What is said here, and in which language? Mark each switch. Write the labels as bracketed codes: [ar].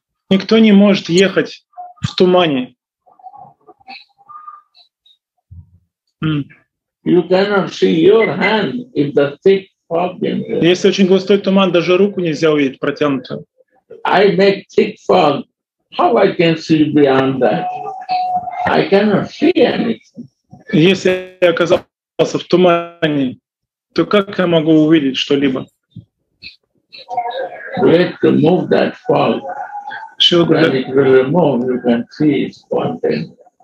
[ru] Никто не может ехать в тумане. [en] You cannot see your hand if the thick fog in there. [ru] Если очень густой туман, даже руку нельзя увидеть протянутую. [en] I make thick fog. How I can see beyond that? I cannot see anything. [ru] Если я оказался в тумане, то как я могу увидеть что-либо? [en] We have to move that fog. Шил Гуру, when it will remove, you can see it's one thing.